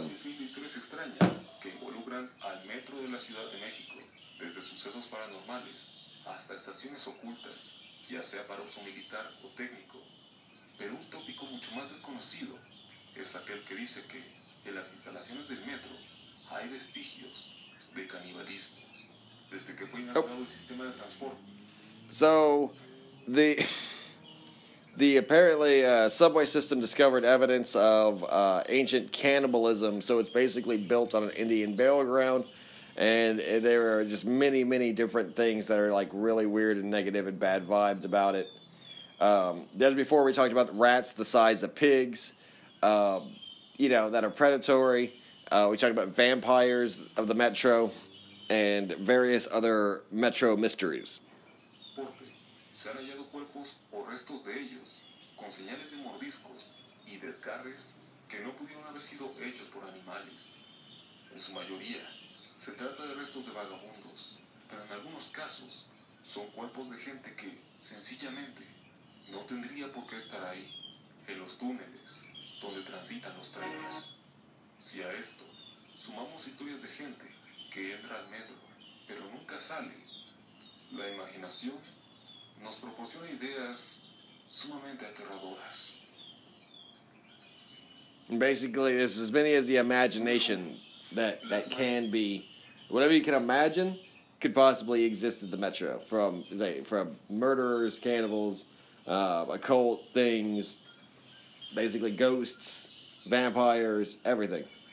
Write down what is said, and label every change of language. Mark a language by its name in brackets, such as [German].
[Spanish] Al metro de la Ciudad de México, desde sucesos paranormales hasta estaciones ocultas, ya sea para uso militar o técnico. Pero un tópico mucho más desconocido es aquel que dice que en las instalaciones del metro hay vestigios de canibalismo desde que fue inaugurado el sistema de transporte. [English] So, the apparently subway system discovered evidence of ancient cannibalism, so it's basically built on an Indian burial ground. And there are just many, many different things that are, like, really weird and negative and bad vibes about it. As before, we talked about rats the size of pigs, you know, that are predatory. We talked about vampires of the metro and various other metro mysteries. [Spanish] Porque se han hallado cuerpos o restos de ellos con señales de mordiscos y desgarres que no pudieron haber sido hechos por animales. En su mayoría... Se trata de restos de vagabundos, pero en algunos casos son cuerpos de gente que, sencillamente, no tendría por qué estar ahí, en los túneles donde transitan los trenes. Si a esto sumamos historias de gente que entra al metro, pero nunca sale, la imaginación nos proporciona ideas sumamente aterradoras. [English] Basically, there's as many as the imagination that can be. Whatever you can imagine could possibly exist at the Metro, from murderers, cannibals, occult things, basically ghosts, vampires, everything.